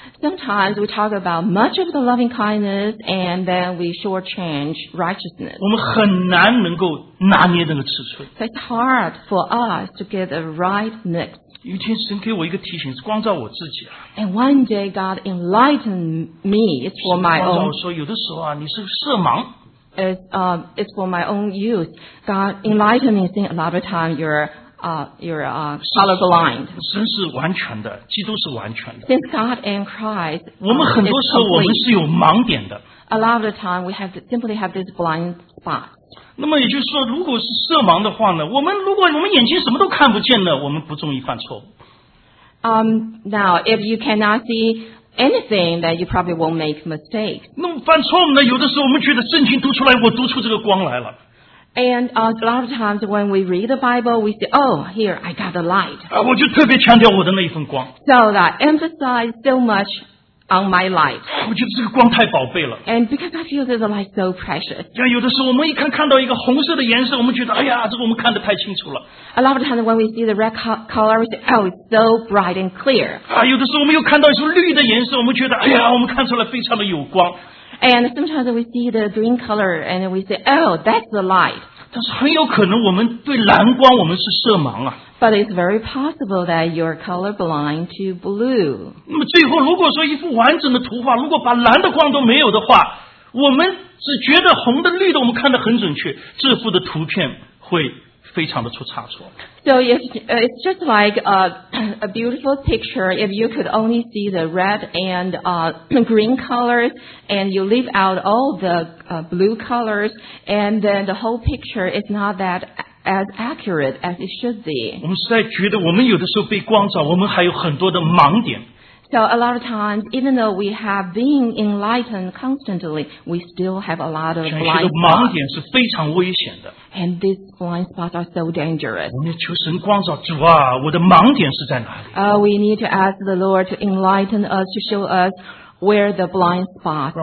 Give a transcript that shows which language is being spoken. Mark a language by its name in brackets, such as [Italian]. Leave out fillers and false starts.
[English] Sometimes we talk about much of the loving kindness and then we shortchange righteousness. It's hard for us to get the right mix. [Chinese] 有一天神给我一个提醒，是光照我自己啊。 [English] And one day God enlightened me. It's for my own. [Chinese] 光照我说，有的时候啊，你是色盲。 [English] It's for my own use. God enlightened me, saying a lot of time you're colorblind. [Chinese] 神是完全的，基督是完全的。 [English] Since God and Christ, [Chinese] 我们很多时候我们是有盲点的。 [English] A lot of the time we have simply have this blind spot. [Chinese] 那么也就是说，如果是色盲的话呢，我们眼睛什么都看不见呢，我们不容易犯错误。 [English] Now, if you cannot see anything, that you probably won't make mistakes. [Chinese] 那么犯错误呢，有的时候我们觉得圣经读出来，我读出这个光来了。 [English] And a lot of times when we read the Bible, we say, oh, here, I got the light. [Chinese] 我就特别强调我的那一份光。 [English] So that emphasized so much on my light. [Chinese] 我觉得这个光太宝贝了。 [English] And because I feel that the light is so precious. [Chinese] 像有的时候我们一看看到一个红色的颜色，我们觉得，哎呀，这个我们看得太清楚了。 [English] A lot of times when we see the red color, we say, oh, it's so bright and clear. [Chinese] 有的时候我们又看到一束绿的颜色，我们觉得，哎呀，我们看出来非常的有光。 [English] And sometimes we see the green color and we say, oh, that's the light. [Chinese] 但是很有可能我们对蓝光我们是色盲啊。 [English] But it's very possible that you're colorblind to blue. [Chinese] 那么最后如果说一幅完整的图画如果把蓝的光都没有的话我们只觉得红的绿的我们看得很准确这幅的图片会非常的出差错。 [English] So it's just like a beautiful picture. If you could only see the red and green colors, and you leave out all the blue colors, and then the whole picture is not that as accurate as it should be. [Chinese] 我们实在觉得我们有的时候被光照，我们还有很多的盲点。 [English] So a lot of times, even though we have been enlightened constantly, we still have a lot of blind spots. [Chinese] 盲点是非常危险的。 [English] And these blind spots are so dangerous. [Chinese] 我们求神光照，主啊，我的盲点是在哪里？ [English] We need to ask the Lord to enlighten us, to show us where the blind spots are.